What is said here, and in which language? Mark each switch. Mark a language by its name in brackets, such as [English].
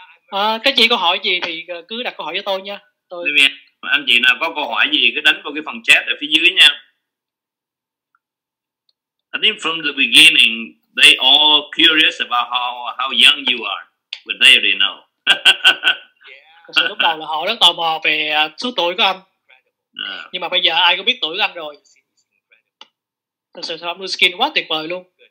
[Vietnamese] Các chị có hỏi gì thì cứ đặt câu hỏi cho tôi nha. Tôi anh chị nào có câu hỏi gì cứ đánh vào cái phần chat ở phía dưới nha. [English] I think from the beginning they all curious about how young you are, but they already know. [Vietnamese] Lúc đầu là họ rất tò mò về số tuổi của anh. Nhưng mà bây giờ ai cũng biết tuổi của anh rồi. Thật sự sản phẩm Skin quá tuyệt vời luôn.